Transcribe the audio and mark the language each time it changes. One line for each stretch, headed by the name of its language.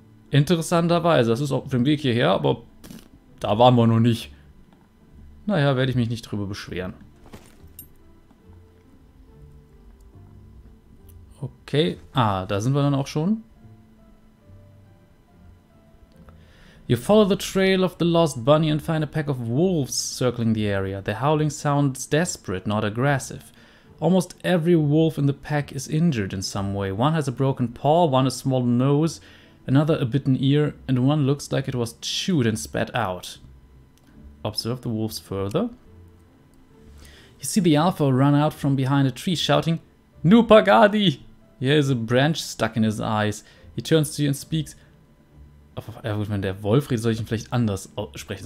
German: Interessanterweise, das ist auf dem Weg hierher, aber da waren wir noch nicht. Naja, werde ich mich nicht drüber beschweren. Okay, ah, da sind wir dann auch schon.
English: You follow the trail of the lost bunny and find a pack of wolves circling the area. The howling sounds desperate, not aggressive. Almost every wolf in the pack is injured in some way. One has a broken paw, one a small nose, another a bitten ear, and one looks like it was chewed and spat out. Observe the wolves further. You see the alpha run out from behind a tree, shouting, Nupagadi! He has a branch stuck in his eyes. He turns to you and speaks.
German: Wenn der Wolf redet, soll ich ihn vielleicht anders sprechen.